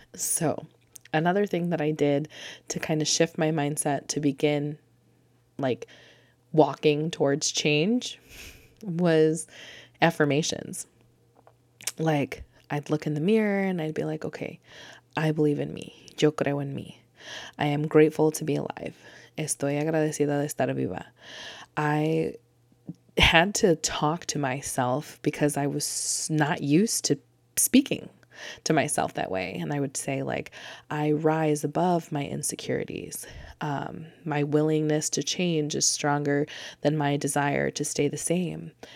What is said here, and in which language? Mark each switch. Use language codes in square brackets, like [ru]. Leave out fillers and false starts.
[en] So another thing that I did to kind of shift my mindset to begin like walking towards change was affirmations. Like I'd look in the mirror and I'd be like, okay, I believe in me. [es] Yo creo en mí. [en] I am grateful to be alive. [es] Estoy agradecida de estar viva. [en] I had to talk to myself because I was not used to speaking to myself that way. And I would say like, I rise above my insecurities. My willingness to change is stronger than my desire to stay the same.